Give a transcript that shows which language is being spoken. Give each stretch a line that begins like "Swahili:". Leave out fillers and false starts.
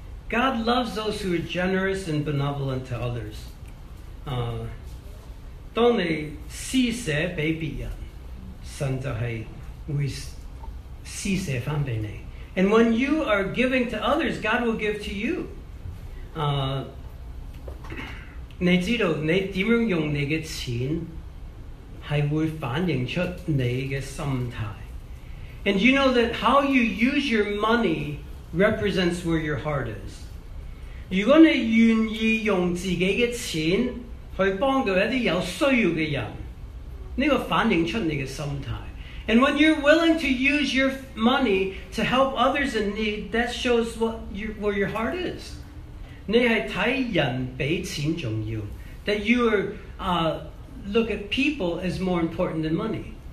English: God loves those who are generous and benevolent to others.
Chinese: 当你施舍给别人,
English: and when you are giving to others, God will give to you.
Chinese: 你知道你怎样用你的钱, 还会反映出你的心态.
English: And you know that how you use your money represents where your heart is.
Chinese: 如果你愿意用自己的钱去帮助一些有需要的人, 这个反映出你的心态.
English: And when you're willing to use your money to help others in need, that shows where your heart is.
Chinese: 你是看人比钱重要,
English: that you are look at people as more important than money.